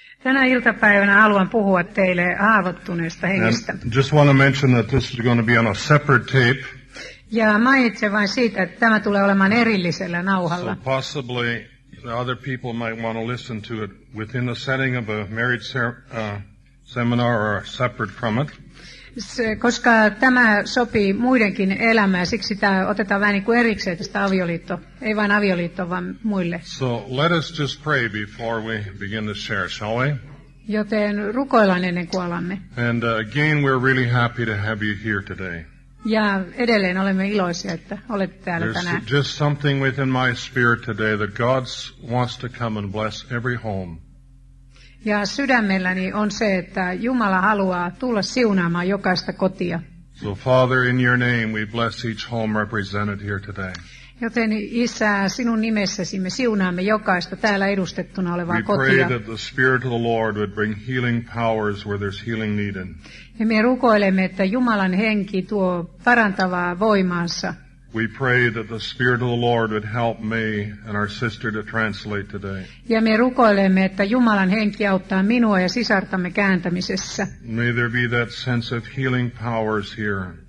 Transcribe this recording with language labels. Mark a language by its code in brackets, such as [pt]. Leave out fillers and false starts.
[fi] Tänä iltapäivänä haluan puhua teille haavoittuneesta hengestä. [en] And just want to mention that this is going to be on a separate tape. [fi] Ja mainitsen vain siitä, että tämä tulee olemaan erillisellä nauhalla. [en] So possibly the other people might want to listen to it within the setting of a marriage seminar or separate from it. [fi] Koska tämä sopii muidenkin elämään, siksi tämä otetaan vähän niin kuin erikseen tästä avioliitto, ei vain avioliitto, vaan muille. [en] So let us just pray before we begin to share, shall we? [fi] Joten rukoillaan ennen kuin alamme. [en] And again, we're really happy to have you here today. [fi] Ja edelleen olemme iloisia, että olette täällä [en] There's [fi] tänään. [en] There's just something within my spirit today that God wants to come and bless every home. [fi] Ja sydämelläni on se, että Jumala haluaa tulla siunaamaan jokaista kotia. [en] So Father, in your name we bless each home represented here today. [fi] Joten Isä, sinun nimessäsi me siunaamme jokaista täällä edustettuna olevaa [en] we [fi] kotia. [en] We pray that the Spirit of the Lord would bring healing powers where there's healing needed. [fi] Ja me rukoilemme, että Jumalan henki tuo parantavaa voimaansa. [en] We pray that the Spirit of the Lord would help me and our sister to translate today. [fi] Ja me rukoilemme, että Jumalan henki auttaa minua ja sisartamme kääntämisessä. [en] May there be that sense of healing powers here.